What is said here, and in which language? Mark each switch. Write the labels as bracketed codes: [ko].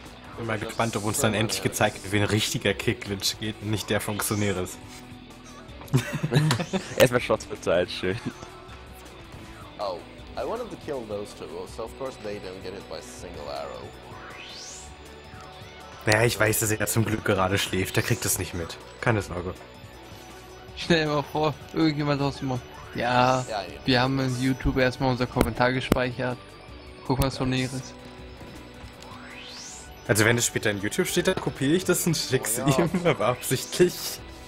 [de] Ich bin mal gespannt, ob uns dann endlich gezeigt wird, wie ein richtiger Kickglitch geht und nicht der von Xoneris. Erstmal Shots verteilt, schön. [en] Oh, I wanted to kill those two, so of course they don't get hit by single arrow. [de] Naja, ich weiß, dass er zum Glück gerade schläft, der kriegt das nicht mit. Keine Sorge. Stell dir mal vor, irgendjemand draußen macht. Ja, wir haben in YouTube erstmal unser Kommentar gespeichert. Guck mal, so näheres. Also, wenn es später in YouTube steht, dann kopiere ich das und schick's ihm, aber absichtlich.